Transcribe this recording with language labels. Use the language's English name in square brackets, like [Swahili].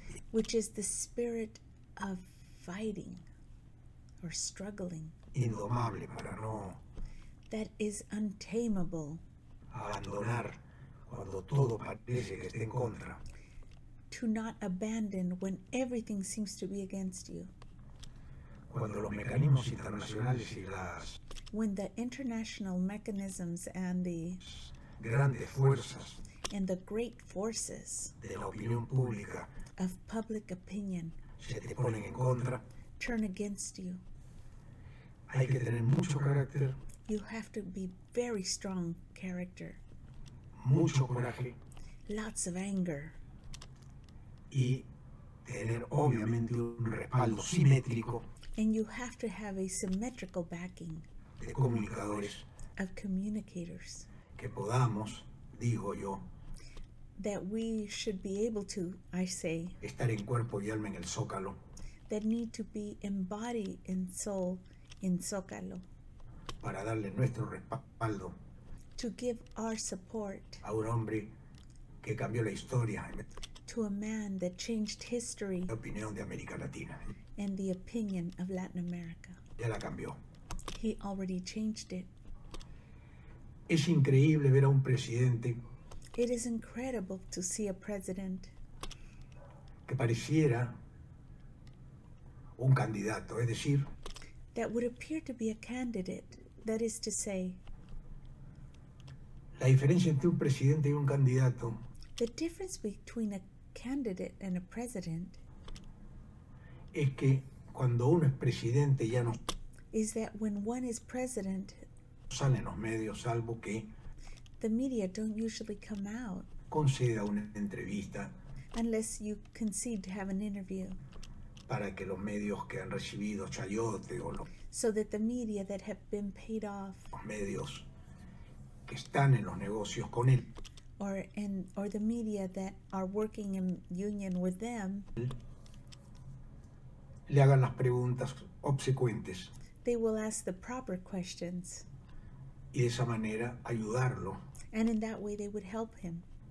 [English] which is the spirit of fighting or struggling, [Spanish] indomable, para no [English] that is untamable, [Spanish] abandonar cuando todo parece que esté en contra. [English] To not abandon when everything seems to be against you. [Spanish] Cuando los mecanismos internacionales y las [English] when the international mechanisms and the [Spanish] grandes fuerzas [English] and the great forces [Spanish] de la opinión pública [English] of public opinion [Spanish] se te ponen en contra, [English] turn against you. [Spanish] Hay que tener mucho carácter, [English] you have to be very strong character, [Spanish] mucho coraje, [English] lots of anger, [Spanish] y tener obviamente un respaldo simétrico, [English] and you have to have a symmetrical backing, [Spanish] de comunicadores, [English] of communicators, [Spanish] que podamos, digo yo, [English] that we should be able to, I say, [Spanish] estar en cuerpo y alma en el zócalo, [English] that need to be embodied in soul in zócalo, [Spanish] para darle nuestro respaldo, [English] to give our support, [Spanish] a un hombre que cambió la historia, [English] to a man that changed history, [Spanish] la opinión de América Latina, [English] and the opinion of Latin America. [Spanish] Ya la cambió. [English] He already changed it. [Spanish] Es increíble ver a un presidente. [English] It is incredible to see a president [Spanish] que pareciera un candidato, es decir, [English] that would appear to be a candidate, that is to say, [Spanish] la diferencia entre un presidente y un candidato, [English] the difference between a candidate and a president, [Spanish] es que cuando uno es presidente ya no, [English] is that when one is president, [Spanish] sale en los medios, salvo que [English] the media don't usually come out, [Spanish] conceda una entrevista, [English] unless you concede to have an interview, [Spanish] para que los medios que han recibido chayote o los, [English] so that the media that have been paid off, [Spanish] los medios que están en los negocios con él, [English] or the media that are working in union with them, [Spanish] le hagan las preguntas obsecuentes, [English] they will ask the proper questions, [Spanish] y de esa manera ayudarlo, [English] and in that way they would help him,